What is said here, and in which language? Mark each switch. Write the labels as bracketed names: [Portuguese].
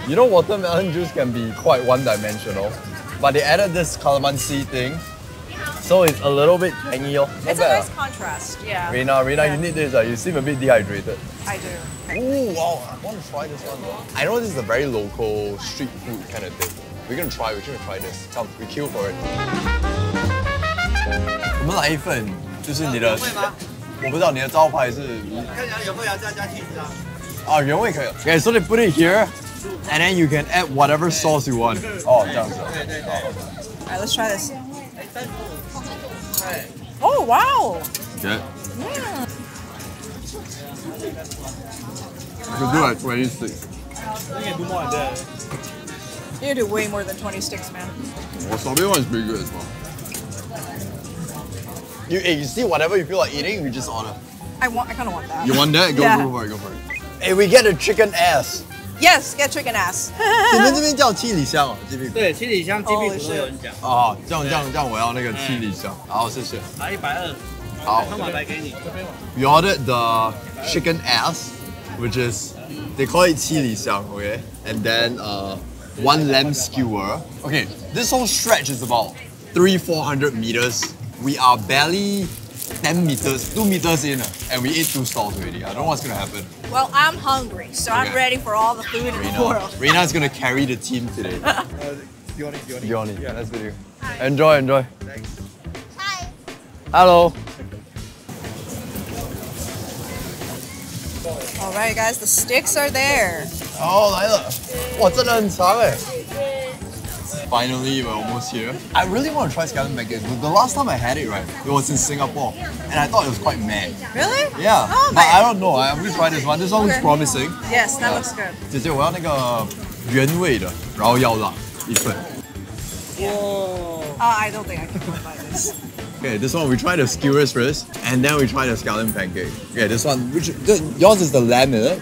[English] You know, watermelon juice can be quite one-dimensional, but they added this calamansi thing. So it's a little bit tangy. It's a nice contrast, yeah. Rina, you need this. You seem a bit dehydrated. I do. Ooh, wow, I want to try this one. I know this is a very local street food kind of thing. We're gonna try this. Come, we queue for it. [Chinese] 我们来一份，就是你的，我不知道你的招牌是。看起来原味吗？原味加加 [English] cheese [Chinese] 啊。啊，原味可以。 [English] Okay, so they put it here, and then you can add whatever sauce you want. [Chinese] Oh, 这样子。对对对。All [English] let's try this. Oh, wow. Good. Yeah. You can do like 20 sticks. You can do more than that. You can do way more than 20 sticks, man. Wasabi one is pretty good as well. You see whatever you feel like eating, you just order. I kind of want that. You want that? Go for it. Hey, we get a chicken ass. Yes, get chicken ass. [Chinese] 你们这边叫七里香，鸡屁股。对，七里香，鸡屁股都有人讲。哦，这样我要那个七里香。好，谢谢。来120。好。来120。 [English] You ordered the chicken ass, which is they call it 七里香, okay? And then one lamb skewer. Okay, this whole stretch is about 300-400 meters. We are barely 10 meters, 2 meters in, and we ate 2 stalls already. I don't know what's gonna happen. Well, I'm hungry, so okay. I'm ready for all the food in the world. Rina's gonna carry the team today. Yoni, yeah. That's good. Enjoy. Thanks. Hi. Hello. All right, guys, the sticks are there. Oh, [Chinese] 来了. [English] Wow, [Chinese] 真的很长诶. [English] Finally, we're almost here. I really want to try scallion pancakes. The last time I had it, right, it was in Singapore, and I thought it was quite mad. Really? Yeah. Oh, but I don't know. I'm going to try this one. This one looks promising. Yes, that looks good. [Chinese] 姐姐，我要那个原味的，然后要辣一份。哇！ [English] I don't think I can buy this. Okay, this one we try the skewers first, and then we try the scallion pancake. Okay, this one, yours is the lamb, is it?